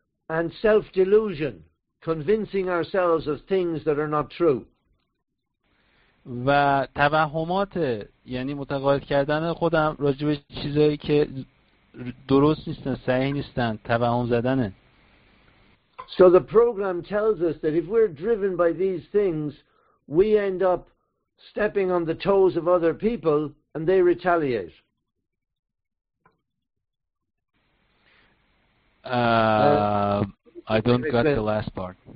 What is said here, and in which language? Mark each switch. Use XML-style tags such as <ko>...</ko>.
<en>And self delusion, convincing ourselves of things that are not true.</en> <fa>و توهمات، یعنی متقاعد کردن خودم راجع به چیزایی که درست نیستن، صحیح نیستن، توهم زدن.</fa> <en>So the program tells us that if we're driven by these things, we end up stepping on the toes of other people and they retaliate. I don't get the last part.</en>